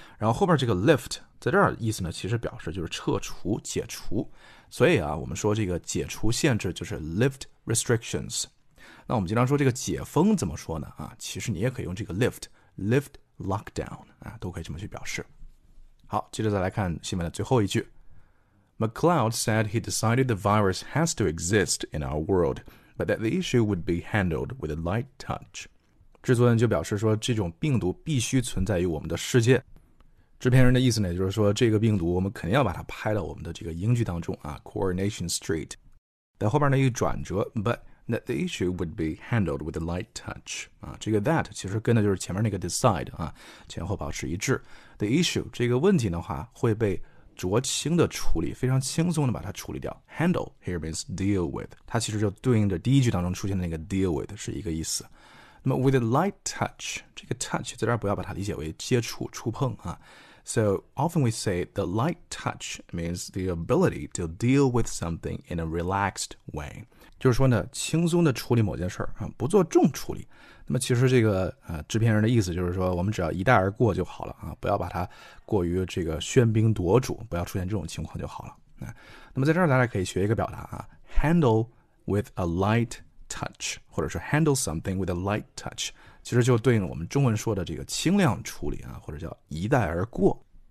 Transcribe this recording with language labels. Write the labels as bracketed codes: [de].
[zh] 然后后面这个 lift 在这儿意思呢，其实表示就是撤除、解除。所以啊，我们说这个解除限制就是 lift restrictions。那我们经常说这个解封怎么说呢？啊，其实你也可以用这个 lift lockdown 啊，都可以这么去表示。好，接着再来看新闻的最后一句。 [en] McLeod said he decided the virus has to exist in our world, but that the issue would be handled with a light touch. [zh] 制作人就表示说这种病毒必须存在于我们的世界。制片人的意思呢就是说这个病毒我们肯定要把它拍到我们的这个英剧当中啊 ,Coronation Street。 [en] 在后边呢一转折 ,but that the issue would be handled with a light touch. [zh] 啊，这个 that 其实跟的就是前面那个 decide, 啊，前后保持一致。 The issue 这个问题的话会被酌轻的处理，非常轻松的把它处理掉。 Handle here means deal with，它其实就对应着第一句当中出现的那个 deal with 是一个意思。那么 with a light touch，这个 touch 在这儿不要把它理解为接触、触碰啊。 [en] So often we say the light touch means the ability to deal with something in a relaxed way，就是说呢，轻松的处理某件事啊，不做重处理。 [zh] 那么其实这个制片人的意思就是说我们只要一带而过就好了啊，不要把它过于这个喧宾夺主，不要出现这种情况就好了。那么在这儿大家可以学一个表达啊， handle with a light touch，或者是 handle something with a light touch，其实就对应我们中文说的这个轻量处理啊，或者叫一带而过。